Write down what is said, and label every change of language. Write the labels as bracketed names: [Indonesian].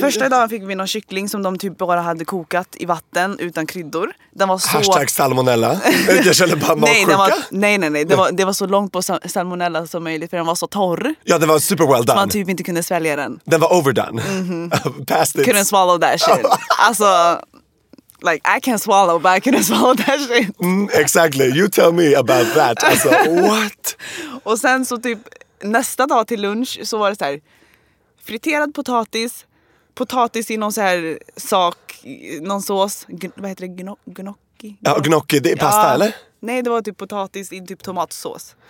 [Swedish] Första dagen fick vi någon kyckling som de typ bara hade kokat i vatten utan kryddor. Den var så... [English] Hashtag salmonella. [Swedish] Jag kände bara magsjuka. Nej. Det var så långt på salmonella som möjligt, för den var så torr. Ja, den var super well done. Man typ inte kunde svälja den. Den var overdone. Mm-hmm. [English] Past it. Couldn't swallow that shit. Alltså... Like, I can swallow, but I can swallow that shit. Mm, exactly. You tell me about that. Alltså, what? [Swedish] Och sen så typ... Nästa dag till lunch så var det så här friterad potatis i någon så här sak, någon sås, vad heter det, gnocchi? Ja, gnocchi, det är pasta, ja. Eller? Nej, det var typ potatis i typ tomatsås.